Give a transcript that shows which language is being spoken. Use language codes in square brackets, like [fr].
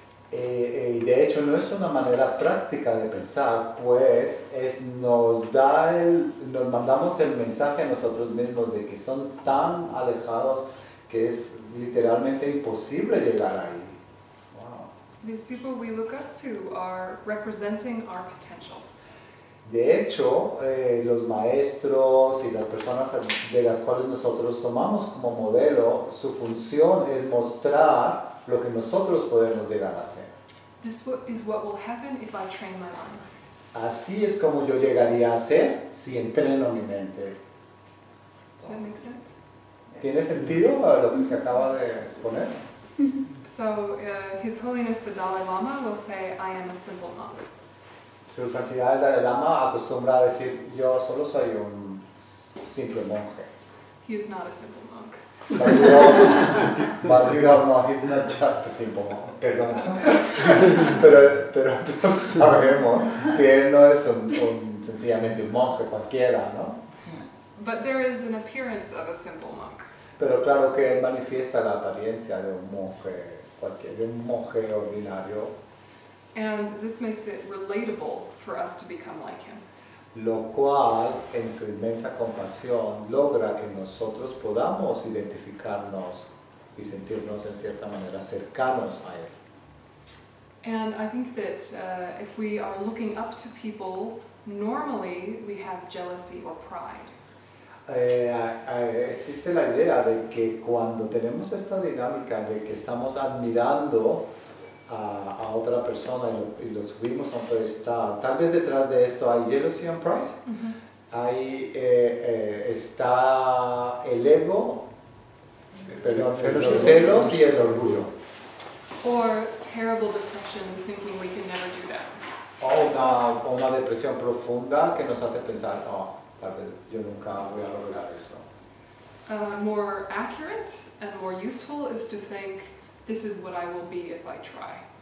[es] De hecho, no es una manera práctica de pensar, pues es nos mandamos el mensaje a nosotros mismos de que son tan alejados que es literalmente imposible llegar ahí. [en] Wow. These people we look up to are representing our potential. [es] De hecho, los maestros y las personas de las cuales nosotros tomamos como modelo, su función es mostrar lo que nosotros podemos llegar a hacer. [en] This is what will happen if I train my mind. [es] Así es como yo llegaría a ser si entreno mi mente. [en] Does that make sense? [es] ¿Tiene sentido lo que se acaba de exponer? [en] So, His Holiness the Dalai Lama will say, I am a simple monk. [es] Su Santidad el Dalai Lama acostumbra a decir, yo solo soy un simple monje. [en] He is not a simple monk. But you all know he's not just a simple monk. [es] Perdón. Pero sabemos que él no es un sencillamente un monje cualquiera, ¿no? [en] But there is an appearance of a simple monk. [es] Pero claro que él manifiesta la apariencia de un monje cualquiera, de un monje ordinario. [en] And this makes it relatable for us to become like him. [es] Lo cual, en su inmensa compasión, logra que nosotros podamos identificarnos y sentirnos en cierta manera cercanos a él. [en] And I think that if we are looking up to people, normally we have jealousy or pride. [es] Existe la idea de que cuando tenemos esta dinámica de que estamos admirando a otra persona y lo subimos a un pedestal, tal vez detrás de esto hay [en] jealousy and pride. Uh-huh. [es] Ahí está el ego, los celos y el orgullo. [en] Or terrible depression, thinking we can never do that. [es] O una depresión profunda que nos hace pensar, oh, tal vez yo nunca voy a lograr eso. [en] More accurate and more useful is to think, this is what I will be if I try.